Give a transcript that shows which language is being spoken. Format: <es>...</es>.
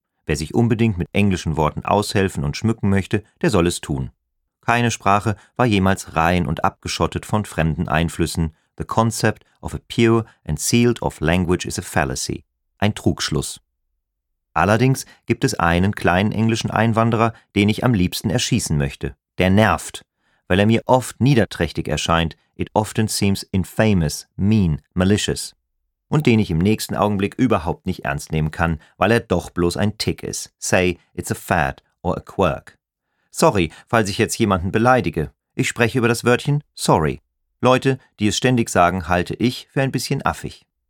<de>Wer sich unbedingt mit englischen Worten aushelfen und schmücken möchte, der soll es tun. Keine Sprache war jemals rein und abgeschottet von fremden Einflüssen.</de> <en>The concept of a pure and sealed off language is a fallacy.</en> <de>Ein Trugschluss. Allerdings gibt es einen kleinen englischen Einwanderer, den ich am liebsten erschießen möchte. Der nervt, weil er mir oft niederträchtig erscheint.</de> <en>It often seems infamous, mean, malicious.</en> <de>Und den ich im nächsten Augenblick überhaupt nicht ernst nehmen kann, weil er doch bloß ein Tick ist.</de> <en>Say, it's a fad or a quirk. Sorry,</en> <de>falls ich jetzt jemanden beleidige. Ich spreche über das Wörtchen sorry. Leute, die es ständig sagen, halte ich für ein bisschen affig.</de>